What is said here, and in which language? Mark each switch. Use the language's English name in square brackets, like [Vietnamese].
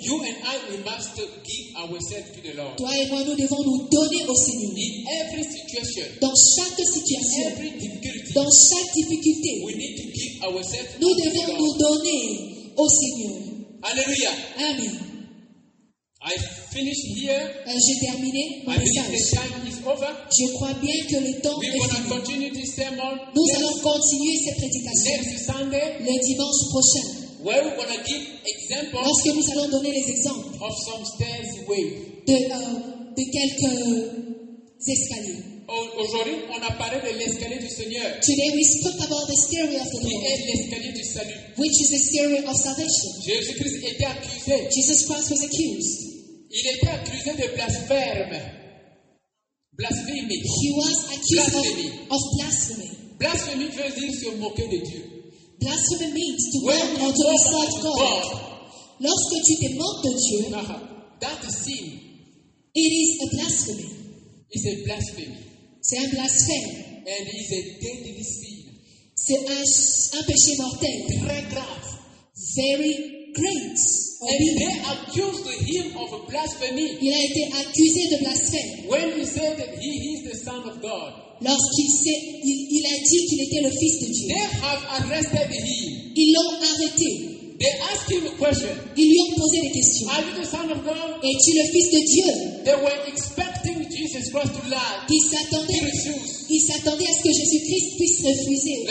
[English] You and I, we must give ourselves to the Lord. [French] Toi et moi, nous devons nous donner au Seigneur. [English] In every situation, [French] dans chaque situation, [English] every difficulty, [French] dans chaque difficulté, [English] we need to give ourselves [French] nous devons [English] to the [French] nous donner au Seigneur. Alléluia. [English] Amen. I finish here. [French] J'ai terminé mon message. [English] The time is over. [French] Je crois bien que le temps est fini. [English] Continue this sermon. [French] Nous allons continuer cette prédication. [English] Next Sunday, [French] le dimanche prochain. [English] Where we're gonna give examples. [French] Lorsque nous allons donner les exemples. [English] Of some stairs way. [French] De quelques escaliers. Aujourd'hui, on a parlé de l'escalier du Seigneur. [English] Today we spoke about the stairway of the Lord. [French] Qui est l'escalier du salut. [English] Which is the stairway of salvation. [French] Jésus-Christ était accusé. [English] Jesus Christ was accused. [French] Il était accusé de blasphème. Blasphémie. [English] He was accused of blasphemy. [French] Blasphémie veut dire se moquer de Dieu. [English] Blasphemy means to mock or to insult God. [French] Lorsque tu te moques de Dieu, [English] that is sin. It is a blasphemy. It's a blasphemy. [French] C'est un blasphème. [English] And it is a deadly sin. [French] C'est un péché mortel. Très grave. [English] Very great. And they accused him of blasphemy. [French] Il a été accusé de blasphème. [English] When he said that he is the Son of God. [French] Lorsqu'il a dit qu'il était le Fils de Dieu. [English] They have arrested him. [French] Ils l'ont arrêté. [English] They ask him a question. [French] Ils lui ont posé des questions. [English] Are you the Son of God? [French] Es-tu le Fils de Dieu? [English] They were expecting Jesus Christ to lie. [French] Ils s'attendaient à ce que Jésus-Christ puisse refuser.